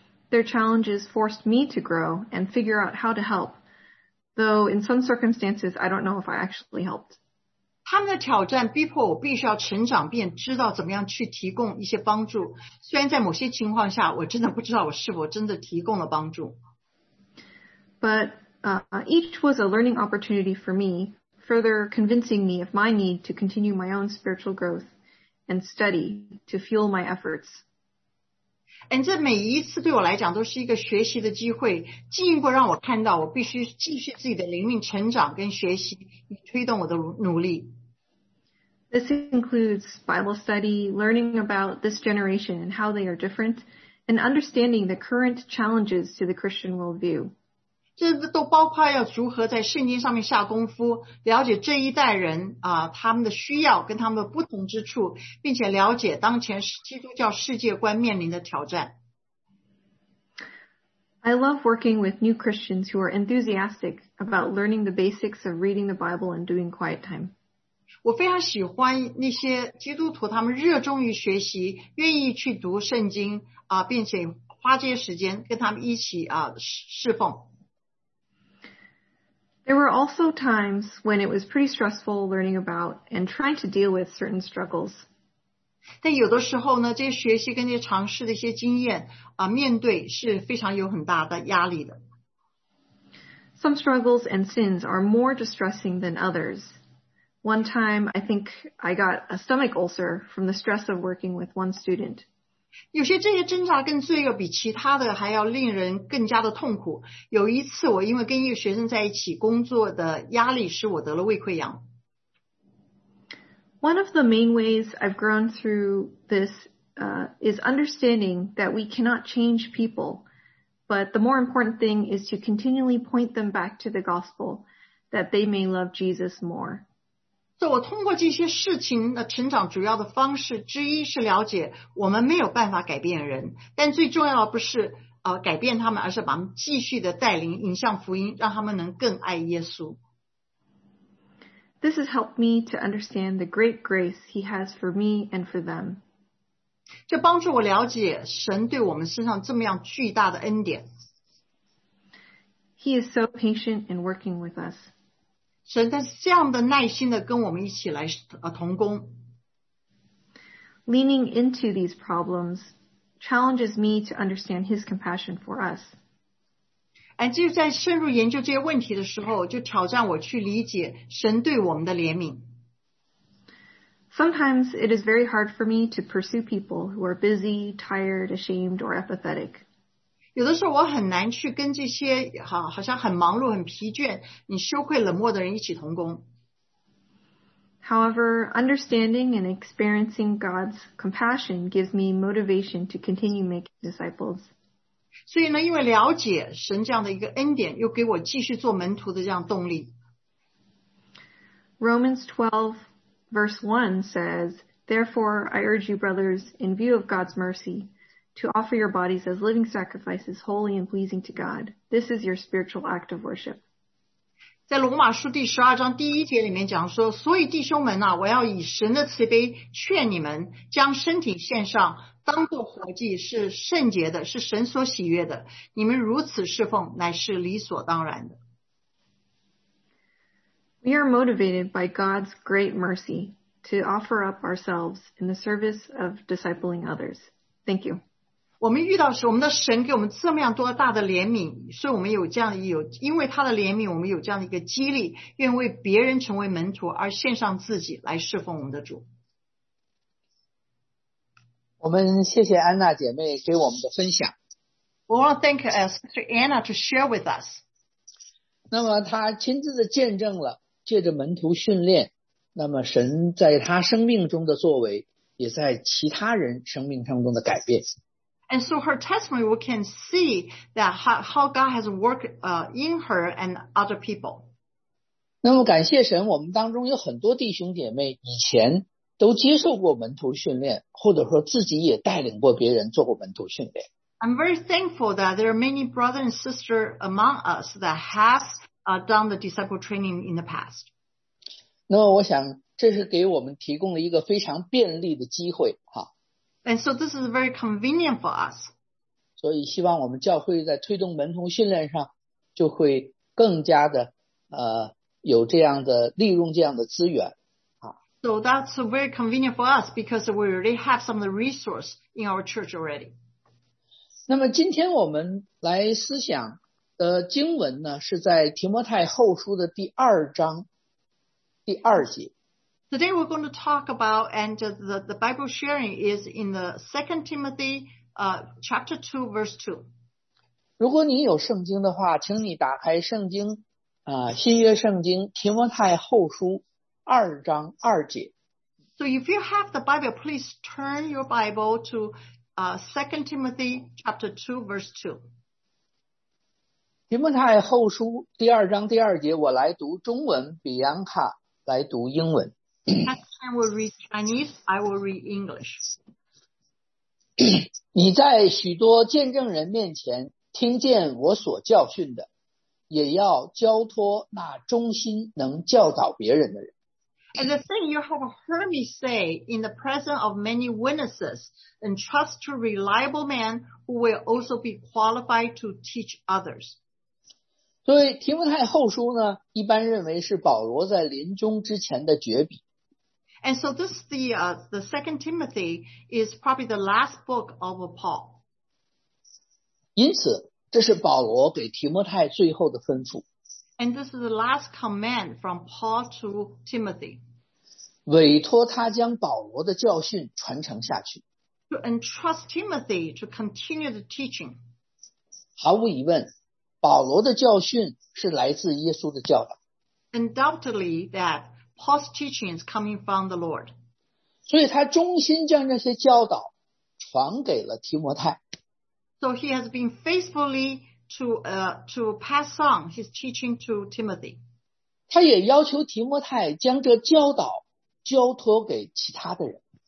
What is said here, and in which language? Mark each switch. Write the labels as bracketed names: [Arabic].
[English] Their challenges forced me to grow and figure out how to help, though in some circumstances I don't know if I actually helped. [Chinese] 他们的挑战逼迫我必须要成长并知道怎么样去提供一些帮助，虽然在某些情况下我真的不知道我是否真的提供了帮助。 [English] But each was a learning opportunity for me. Further convincing me of my need to continue my own spiritual growth and study to fuel my efforts. And [Chinese] 这每一次对我来讲都是一个学习的机会，进一步让我看到我必须继续自己的灵命成长跟学习，以推动我的努力。 [English] This includes Bible study, learning about this generation and how they are different, and understanding the current challenges to the Christian worldview. [Chinese] 这都包括要如何在圣经上面下功夫，了解这一代人啊，他们的需要跟他们的不同之处，并且了解当前基督教世界观面临的挑战。 [English] I love working with new Christians who are enthusiastic about learning the basics of reading the Bible and doing quiet time. [Chinese] 我非常喜欢那些基督徒，他们热衷于学习，愿意去读圣经啊，并且花这些时间跟他们一起啊侍奉。 [English] There were also times when it was pretty stressful learning about and trying to deal with certain struggles. [Chinese] 但有的时候呢，这些学习跟这些尝试的一些经验啊，面对是非常有很大的压力的。 [English] Some struggles and sins are more distressing than others. One time, I think I got a stomach ulcer from the stress of working with one student. [Chinese] 有些这些挣扎跟罪恶比其他的还要令人更加的痛苦。有一次我因为跟一个学生在一起工作的压力使我得了胃溃疡。 [English] One of the main ways I've grown through this, is understanding that we cannot change people, but the more important thing is to continually point them back to the gospel, that they may love Jesus more. [Chinese] 所以我通过这些事情的成长主要的方式之一是了解我们没有办法改变人，但最重要的不是改变他们，而是把他们继续的带领引向福音，让他们能更爱耶稣。 [English] This has helped me to understand the great grace he has for me and for them. [Chinese] 这帮助我了解神对我们身上这么样巨大的恩典。 [English] He is so patient in working with us. [Chinese] 神在这样的耐心的跟我们一起来同工。 [English] Leaning into these problems challenges me to understand his compassion for us. [Chinese] 就在深入研究这些问题的时候，就挑战我去理解神对我们的怜悯。 [English] Sometimes it is very hard for me to pursue people who are busy, tired, ashamed, or apathetic. [Chinese] 有的时候我很难去跟这些好像很忙碌很疲倦你羞愧冷漠的人一起同工。 [English] However, understanding and experiencing God's compassion gives me motivation to continue making disciples. [Chinese] 所以呢因为了解神这样的一个恩典又给我继续做门徒的这样动力。 [English] Romans 12 verse 1 says, Therefore, I urge you brothers, in view of God's mercy,to offer your bodies as living sacrifices, holy and pleasing to God. This is your spiritual act of worship. [Chinese] 在罗马书第十二章第一节里面讲说，所以弟兄们啊，我要以神的慈悲劝你们，将身体献上，当作活祭，是圣洁的，是神所喜悦的。你们如此侍奉，乃是理所当然的。 [English] We are motivated by God's great mercy to offer up ourselves in the service of discipling others. Thank you. [Chinese] 我们遇到是我们的神给我们这么样多大的怜悯，所以我们有这样有因为他的怜悯，我们有这样的一个激励，愿为别人成为门徒而献上自己来侍奉我们的主。我们谢谢安娜姐妹给我们的分享。 [English] We want to thank Sister Anna to share with us. [Chinese] 那么她亲自的见证了，借着门徒训练，那么神在她生命中的作为，也在其他人生命当中的改变。 [English] And so her testimony, we can see that how God has worked, in her and other people. [Chinese] 那么感谢神，我们当中有很多弟兄姐妹以前都接受过门徒训练，或者说自己也带领过别人做过门徒训练。 [English] I'm very thankful that there are many brothers and sisters among us that have, done the disciple training in the past. [Chinese] 那么我想这是给我们提供了一个非常便利的机会啊。 [English] And so this is very convenient for us. [Chinese] 所以希望我们教会在推动门徒训练上就会更加的有这样的利用这样的资源。 [English] So that's very convenient for us because we already have some of the resource in our church already. [Chinese] 那么今天我们来思想的经文呢是在提摩太后书的第二章第二节。 [English] Today we're going to talk about, and the Bible sharing is in the 2 Timothy, chapter 2, verse 2. [Chinese] 如果你有圣经的话，请你打开圣经，新约圣经，提摩太后书二章二节。 [English] So if you have the Bible, please turn your Bible to 2 Timothy chapter 2, verse 2. [Chinese] 提摩太后书第二章第二节，我来读中文，比安卡来读英文。 [English] I will read Chinese, I will read English. [Chinese] 你在许多见证人面前听见我所教训的，也要交托那忠心能教导别人的人。 [English] And the thing you have heard me say in the presence of many witnesses, entrust to reliable men who will also be qualified to teach others. [Chinese] 所以提摩太后书呢，一般认为是保罗在临终之前的绝笔。 [English] And so this the Second Timothy is probably the last book of Paul. [Chinese] 因此，这是保罗给提摩太最后的吩咐。 [English] And this is the last command from Paul to Timothy. [Chinese] 委托他将保罗的教训传承下去。 [English] To entrust Timothy to continue the teaching. [Chinese] 毫无疑问。保罗的教训是来自耶稣的教导。 [English] Undoubtedly, that Paul's teaching is coming from the Lord. [Chinese] 所以他忠心将这些教导传给了提摩太。 [English] So he has been faithfully to pass on his teaching to Timothy. [Chinese] 他也要求提摩太将这教导交托给其他的人。